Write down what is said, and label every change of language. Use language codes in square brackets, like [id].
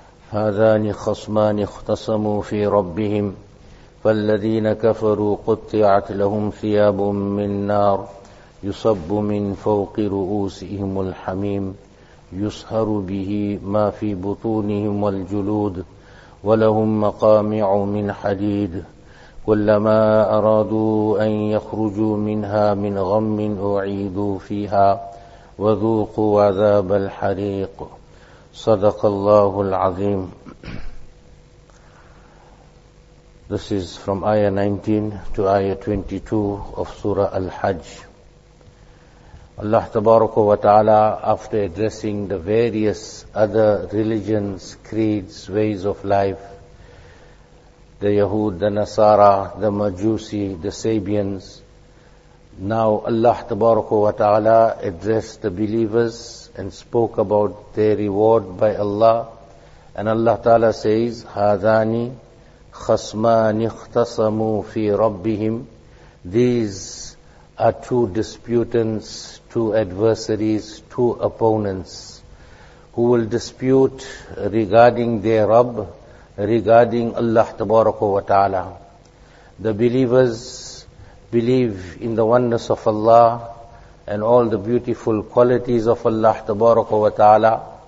[ar] هذان خصمان اختصموا في ربهم فالذين كفروا قطعت لهم ثياب من نار يصب من فوق رؤوسهم الحميم يصهر به ما في بطونهم والجلود ولهم مقامع من حديد. كلما أرادوا أن يخرجوا منها من غم أعيدوا فيها وذوقوا عذاب الحريق. صدق الله العظيم. [en] This is from Ayah 19 to Ayah 22 of Surah Al-Hajj. Allah Tabaraka wa Ta'ala, after addressing the various other religions, creeds, ways of life, the Yahud, the Nasara, the Majusi, the Sabians. Now Allah Tabaraka wa Ta'ala addressed the believers and spoke about their reward by Allah. And Allah Ta'ala says, [ar] هَذَانِ خَصْمَانِ اخْتَصَمُوا فِي رَبِّهِمْ. [en] These are two disputants, two adversaries, two opponents who will dispute regarding their Rabb, regarding Allah Tabaraka wa Ta'ala. The believers believe in the oneness of Allah and all the beautiful qualities of Allah Tabaraka wa Ta'ala.